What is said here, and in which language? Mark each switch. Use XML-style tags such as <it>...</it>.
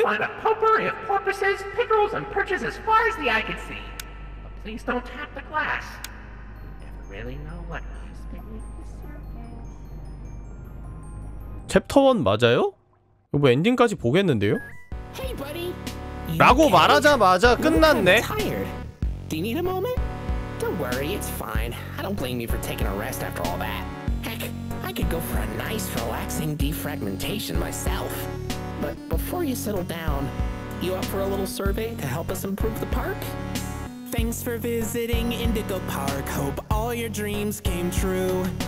<en>Find a pupper, if porpoises, pickles, and perches as far as the eye can see. But please don't tap the glass. Never really know what is beneath the surface.</en> <ko>챕터 1 맞아요? 이거 뭐 엔딩까지 보겠는데요?</ko> <en>Hey, buddy.</en> <ko>라고 말하자마자 끝났네.</ko> <en>Do you need a moment? Don't worry, it's fine. I don't blame you for taking a rest after all that. Heck, I could go for a nice relaxing defragmentation myself. But before you settle down, you up for a little survey to help us improve the park? Thanks for visiting Indigo Park. Hope all your dreams came true.</en>